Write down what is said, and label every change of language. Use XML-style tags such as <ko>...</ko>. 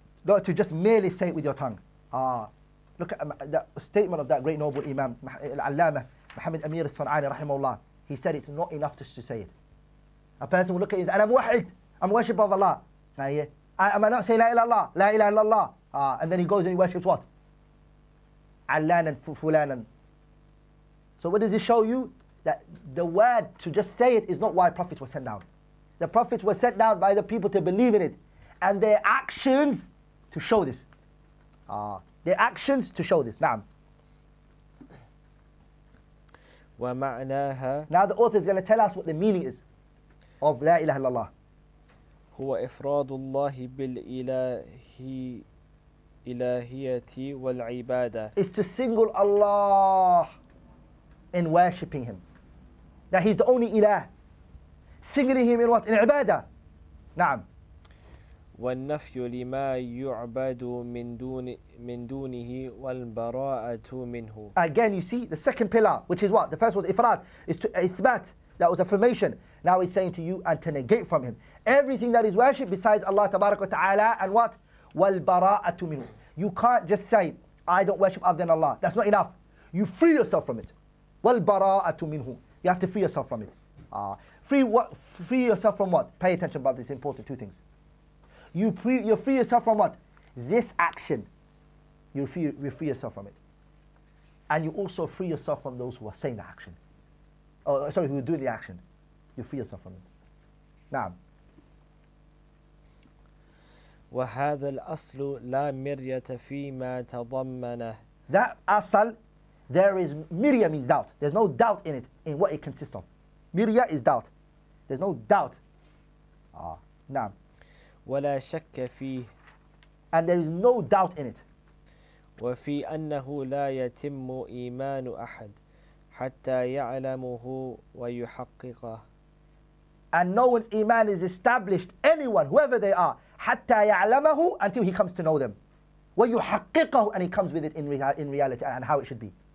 <en>Not to just merely say it with your tongue. Look at the statement of that great noble imam, العلامة محمد أمير الصنعاني</en> <ar>رحمه الله.</ar> <en>He said it's not enough just to say it. A person will look at it and say,</en> <ar>أنا موحد.</ar> <en>I'm worship of Allah. Am I not saying</en> <ar>لا إله إلا الله؟ لا إله إلا الله.</ar> <en>And then he goes and he worships what?</en> <ar>علانا فلانا.</ar> <en>So what does it show you? That the word to just say it is not why prophets were sent down. The prophets were sent down by the people to believe in it, and their actions to show this. Their actions to show this. Naam.</en> <ar>ومعناها.</ar> <en>Now the author is going to tell us what the meaning is of لا إله إلا الله.</en> <ar>هو إفراد الله بالإلهية والعبادة.</ar> <en>Is to single Allah in worshipping Him. That he's the only ilah. Singing him in what? In ibadah. Naam.</en> <ar>والنفي لما يعبد من دون من دونه والبراءة منه.</ar> <en>Again, you see the second pillar, which is what? The first was إفراد, is to إثبات. That was affirmation. Now he's saying to you and to negate from him everything that is worship besides Allah tabarak wa ta'ala, and what?</en> <ar>وَالْبَرَاءَةُ مِنُهُ.</ar> <en>You can't just say, I don't worship other than Allah. That's not enough. You free yourself from it.</en> <ar>وَالْبَرَاءَةُ مِنْهُ.</ar> <en>You have to free yourself from it. Free yourself from what? Pay attention, brother. It's important. Two things. You free yourself from what? This action. You free yourself from it. And you also free yourself from those who are saying the action. Who are doing the action. You free yourself from it. Na'am.</en> <ar>وهذا الأصل لا مرية فيما تضمنه.</ar> <en>That أصل, there is مرية means doubt. There's no doubt in it, in what it consists of. مرية is doubt. There's no doubt. نعم.</en> <ar>ولا شك فيه.</ar> <en>And there is no doubt in it.</en> <ar>وفي أنه لا يتم إيمان أحد حتى يعلمه ويحققه.</ar> <en>And no one's iman is established, anyone, whoever they are,</en> <ar>حَتَّى يَعْلَمَهُ,</ar> <en>until he comes to know them.</en> <ar>وَيُحَقِّقَهُ,</ar> <en>and he comes with it in reality and how it should be.</en>